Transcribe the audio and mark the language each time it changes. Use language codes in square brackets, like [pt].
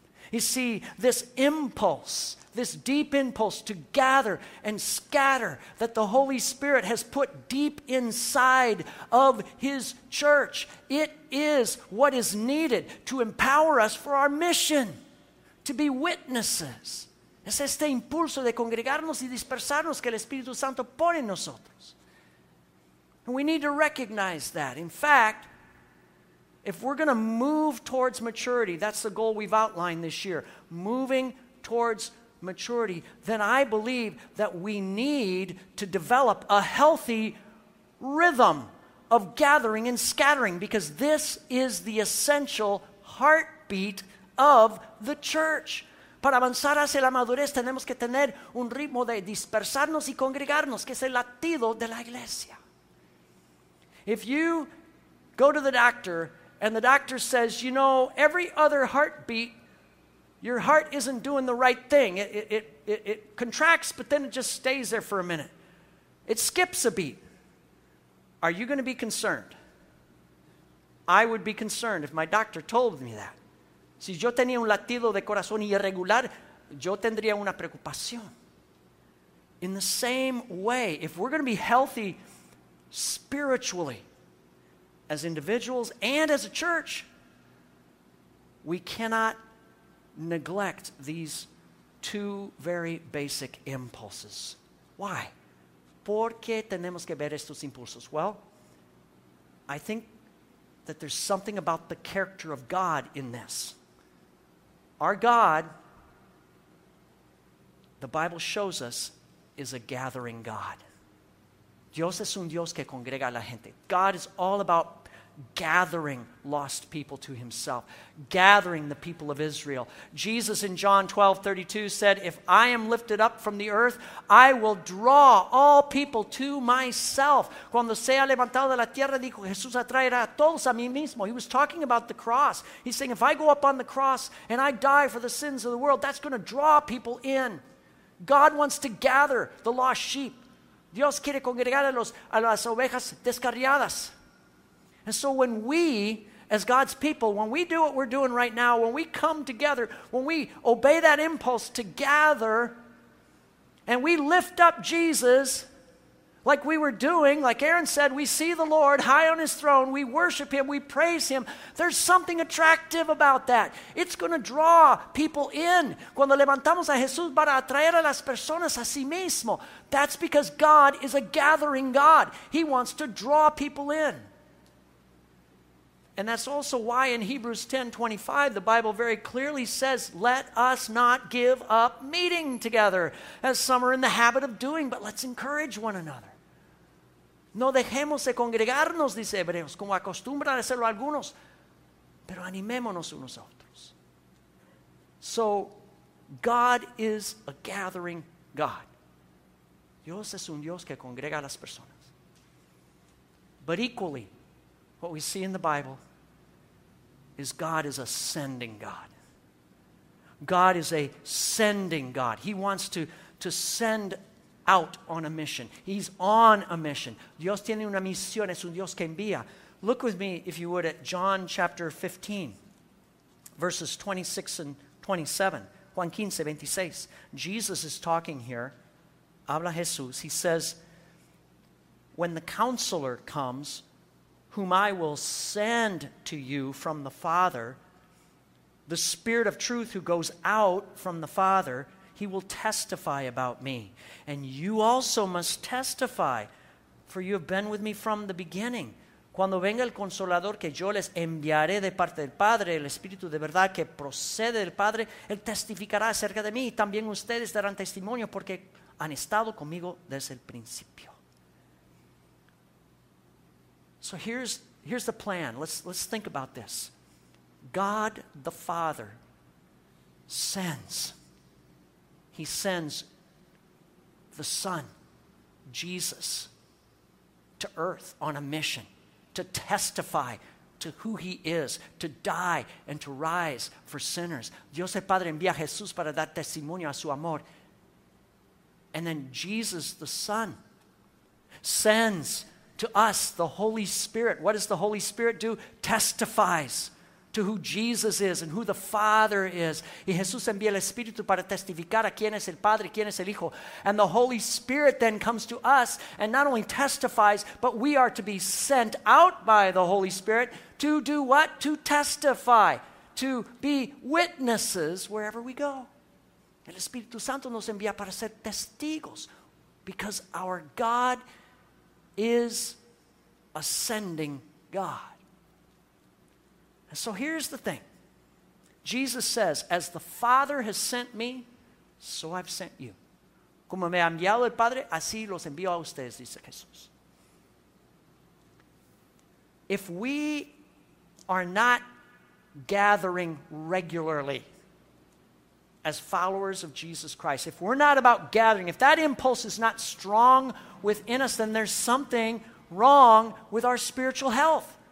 [en] You see, this impulse, this deep impulse to gather and scatter that the Holy Spirit has put deep inside of His church, it is what is needed to empower us for our mission, to be witnesses. [es] Es este impulso de congregarnos y dispersarnos que el Espíritu Santo pone en nosotros. [en] And we need to recognize that. In fact, if we're going to move towards maturity, that's the goal we've outlined this year, moving towards maturity, then I believe that we need to develop a healthy rhythm of gathering and scattering, because this is the essential heartbeat of the church. [es] Para avanzar hacia la madurez tenemos que tener un ritmo de dispersarnos y congregarnos, que es el latido de la iglesia. [en] If you go to the doctor and the doctor says, you know, every other heartbeat, your heart isn't doing the right thing. It contracts, but then it just stays there for a minute. It skips a beat. Are you going to be concerned? I would be concerned if my doctor told me that. [es] Si yo tenía un latido de corazón irregular, yo tendría una preocupación. [en] In the same way, if we're going to be healthy spiritually, as individuals and as a church, we cannot neglect these two very basic impulses. Why? [es] ¿Por qué tenemos que ver estos impulsos? [en] Well, I think that there's something about the character of God in this. Our God, the Bible shows us, is a gathering God. [es] Dios es un Dios que congrega a la gente. [en] God is all about gathering lost people to Himself, gathering the people of Israel. Jesus in John 12:32 said, if I am lifted up from the earth, I will draw all people to Myself. [es] Cuando sea levantado de la tierra, dijo Jesús, atraerá a todos a mí mismo. [en] He was talking about the cross. He's saying, if I go up on the cross and I die for the sins of the world, that's going to draw people in. God wants to gather the lost sheep. [es] Dios quiere congregar a las ovejas descarriadas. [en] And so when we, as God's people, when we do what we're doing right now, when we come together, when we obey that impulse to gather, and we lift up Jesus like we were doing, like Aaron said, we see the Lord high on His throne, we worship Him, we praise Him, there's something attractive about that. It's going to draw people in. [es] Cuando levantamos a Jesús para atraer a las personas a sí mismo. [en] That's because God is a gathering God. He wants to draw people in. And that's also why in Hebrews 10:25, the Bible very clearly says, let us not give up meeting together, as some are in the habit of doing, but let's encourage one another. [es] No dejemos de congregarnos, dice Hebreos, como acostumbran a hacerlo algunos, pero animémonos unos a otros. [en] So, God is a gathering God. [es] Dios es un Dios que congrega a las personas. [en] But equally, what we see in the Bible is God is a sending God. God is a sending God. He wants to send out on a mission. He's on a mission. [es] Dios tiene una misión, es un Dios que envía. [en] Look with me, if you would, at John chapter 15, verses 26 and 27. Juan 15:26. Jesus is talking here. [es] Habla Jesús. [en] He says, when the counselor comes, whom I will send to you from the Father, the Spirit of truth who goes out from the Father, He will testify about Me. And you also must testify, for you have been with Me from the beginning. [es] Cuando venga el Consolador que yo les enviaré de parte del Padre, el Espíritu de verdad que procede del Padre, Él testificará acerca de Mí. También ustedes darán testimonio porque han estado conmigo desde el principio. [en] So here's the plan. Let's think about this. God the Father sends. He sends the Son, Jesus, to earth on a mission to testify to who He is, to die and to rise for sinners. [es] Dios el Padre envía a Jesús para dar testimonio a su amor. [en] And then Jesus the Son sends to us, the Holy Spirit. What does the Holy Spirit do? Testifies to who Jesus is and who the Father is. [es] Y Jesús envía el Espíritu para testificar a quién es el Padre y quién es el Hijo. [en] And the Holy Spirit then comes to us and not only testifies, but we are to be sent out by the Holy Spirit to do what? To testify, to be witnesses wherever we go. [es] El Espíritu Santo nos envía para ser testigos, [en] because our God is ascending God. And so here's the thing. Jesus says, as the Father has sent me, so I've sent you. [es] Como me ha enviado el Padre, así los envío a ustedes, dice Jesús. [en] If we are not gathering regularly as followers of Jesus Christ, if we're not about gathering, if that impulse is not strong within us, then there's something wrong with our spiritual health.